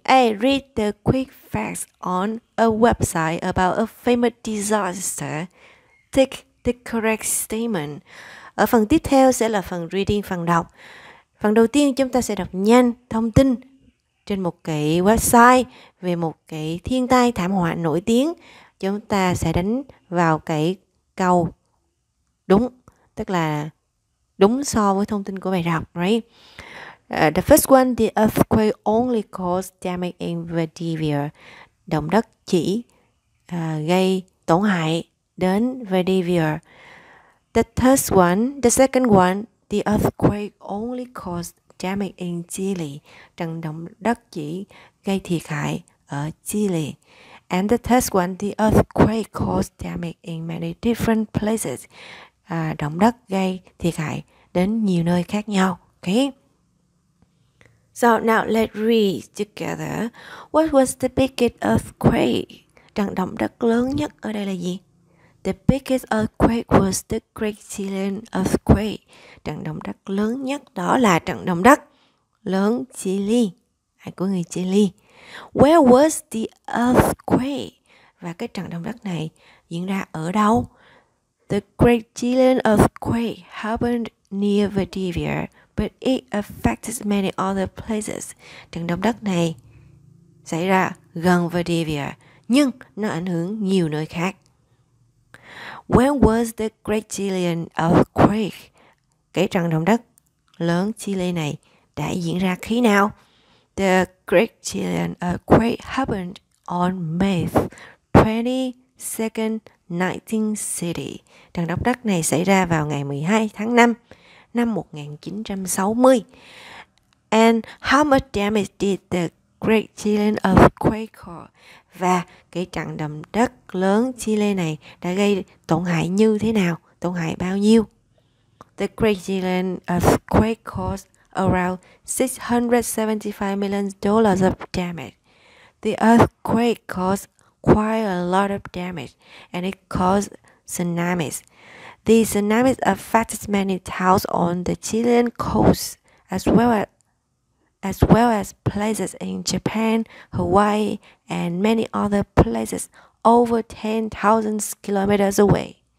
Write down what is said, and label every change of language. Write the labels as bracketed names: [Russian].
[English] I read the quick facts on a website about a famous disaster. Take the correct statement. [Vietnamese] Ở phần tiếp theo sẽ là phần reading, phần đọc. Phần đầu tiên chúng ta sẽ đọc nhanh thông tin trên một cái website về một cái thiên tai thảm họa nổi tiếng. Chúng ta sẽ đánh vào cái câu đúng, tức là đúng so với thông tin của bài đọc, right? [English] The first one, the earthquake only caused damage in Vidivia. [Vietnamese] Động đất chỉ gây tổn hại đến Vidivia. [English] The third one, the second one, the earthquake only caused damage in Chile. [Vietnamese] Trận động đất chỉ gây thiệt hại ở Chile. [English] And the third one, the earthquake caused damage in many different places. [Vietnamese] Động đất gây thiệt hại đến nhiều nơi khác nhau. Okay. [English] So now let's read together. What was the biggest earthquake? [Vietnamese] Trận động đất lớn nhất ở đây là gì? [English] The biggest earthquake was the Great Chilean earthquake. [Vietnamese] Trận động đất lớn nhất đó là trận động đất lớn Chile, của người Chile. [English] Where was the earthquake? [Vietnamese] Và cái trận động đất này diễn ra ở đâu? [English] The Great Chilean earthquake happened near Vidivia, but it affected many other places. [Vietnamese] Trận động đất này xảy ra gần Vidivia, nhưng nó ảnh hưởng nhiều nơi khác. [English] When was the Great Chilean earthquake? [Vietnamese] Cái trận động đất lớn Chile này đã diễn ra khi nào? [English] The Great Chilean earthquake happened on May 22, 1960. [Vietnamese] Trận động đất này xảy ra vào ngày 12 tháng 5 năm 1960. [English] And how much damage did the Great Chilean earthquake cause? [Vietnamese] Và cái trận động đất lớn Chile này đã gây tổn hại như thế nào? Tổn hại bao nhiêu? [English] The Great Chilean earthquake caused around $675 million of damage. The earthquake caused quite a lot of damage, and it caused tsunamis. The tsunamis affected many towns on the Chilean coast, as well as places in Japan, Hawaii, and many other places over 10,000 kilometers away.